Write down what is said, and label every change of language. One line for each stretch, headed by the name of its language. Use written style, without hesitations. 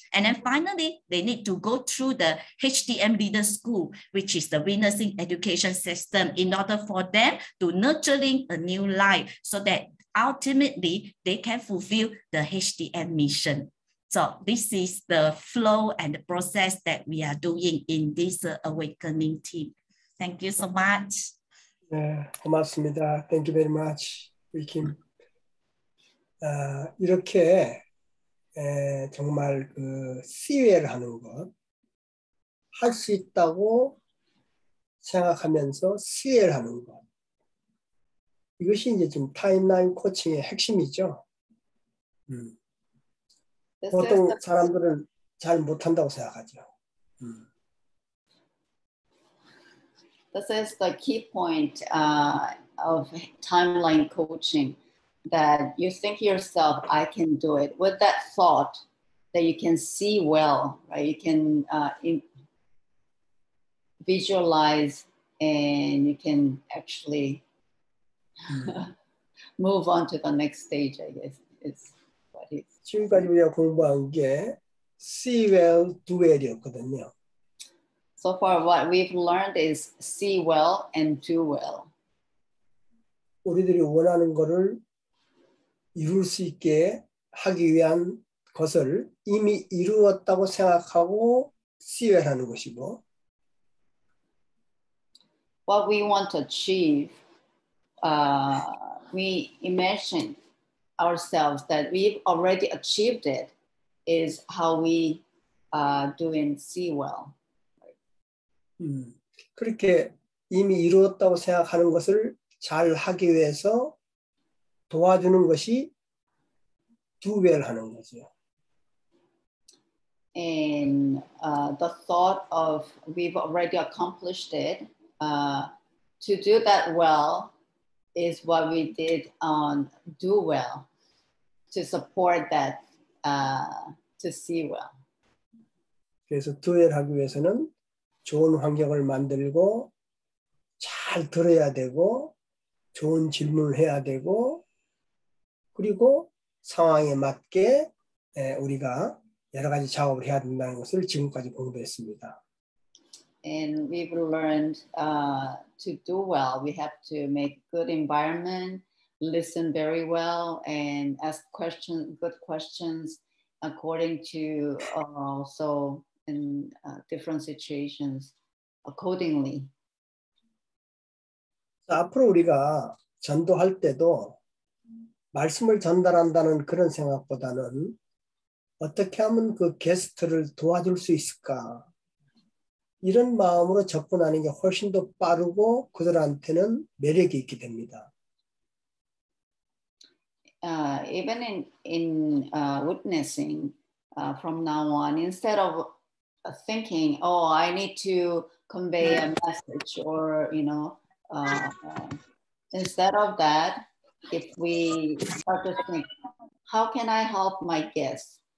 English: And then finally, they need to go through the HDM leader school, which is the witnessing education system, in order for them to nurturing a new life so that ultimately they can fulfill the HDM mission. So this is the flow and the process that we are doing in this awakening team. Thank you so much.
Korean: Yeah, 고맙습니다.
English: Thank you very much, Wikim.
Korean: 이렇게 정말 그 CL 하는 것 할 수 있다고 생각하면서 CL 하는 것 이것이 이제 좀 타임라인 코칭의 핵심이죠. 보통 사람들은 잘 못한다고 생각하죠.
English: This is the key point of timeline coaching, that you think yourself, I can do it. With that thought that you can see well, right? You can visualize and you can actually move on to the next stage, I guess. It's what it is.
Korean: 지금까지 우리가 공부한 게 see well, do well이었거든요.
English: So far, what we've learned is see well and do well.
Korean: 우리들이 원하는 거를 이룰 수 있게 하기 위한 것을 이미 이루었다고 생각하고 see well 하는 것이고.
English: What we want to achieve, we imagine ourselves that we've already achieved it, is how we do in see well.
Korean: 그렇게 이미 이루었다고 생각하는 것을 잘 하기 위해서 도와주는 것이 do well 하는 거죠.
English: And the thought of we've already accomplished it, to do that well is what we did on do well, to support that, to see well.
Korean: 그래서 do well 하기 위해서는 좋은 환경을 만들고 잘 들어야 되고 좋은 질문을 해야 되고 그리고 상황에 맞게 우리가 여러 가지 작업을 해야 된다는 것을 지금까지 공부했습니다.
English: And we've learned to do well. We have to make good environment, listen very well, and ask questions, good questions according to also in different situations accordingly.
Korean: 앞으로 우리가 전도할 때도 말씀을 전달한다는 그런 생각보다는 어떻게 하면 그 게스트를 도와줄 수 있을까 이런 마음으로 접근하는 게 훨씬 더 빠르고 그들한테는 매력이 있게 됩니다.
English: Even in witnessing from now on, instead of thinking, oh, I need to convey a message, or you know, instead of that, if we start to think, how can I help my guests?